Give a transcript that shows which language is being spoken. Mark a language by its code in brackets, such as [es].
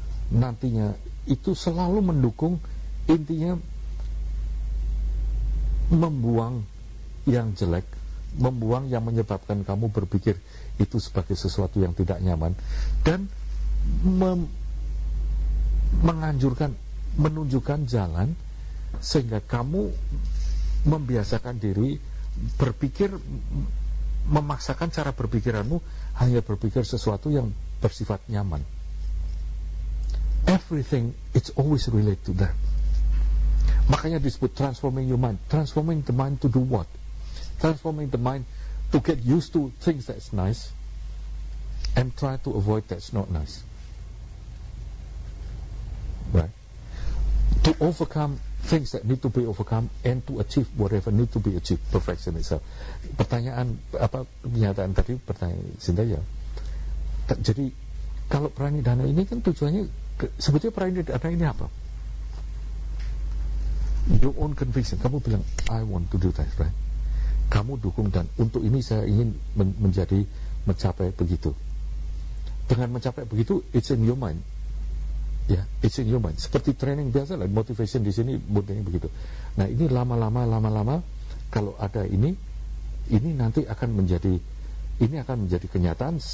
[id] Nantinya itu selalu mendukung, intinya membuang yang jelek, membuang yang menyebabkan kamu berpikir itu sebagai sesuatu yang tidak nyaman, dan menganjurkan, menunjukkan jalan sehingga kamu membiasakan diri berpikir, memaksakan cara berpikiranmu hanya berpikir sesuatu yang bersifat nyaman. [en] Everything it's always related to that. [id] Makanya disebut [en] transforming your mind. Transforming the mind to do what? Transforming the mind to get used to things that's nice and try to avoid that's not nice. Right? To overcome things that need to be overcome and to achieve whatever need to be achieved, perfection itself. [id] Pertanyaan, apa pernyataan tadi, pertanyaan Sinta ya. Jadi, kalau pranidana ini kan tujuannya, sebetulnya pranidana ini apa? [en] your own conviction. [id] Kamu bilang, [en] I want to do that, right? [id] Kamu dukung dan untuk ini saya ingin menjadi mencapai begitu. Dengan mencapai begitu, [en] it's in your mind. Ya, it's in your mind. [id] Seperti training biasa lah, motivation di sini bodohnya begitu. Nah, ini lama-lama, kalau ada ini nanti akan menjadi, ini akan menjadi kenyataan.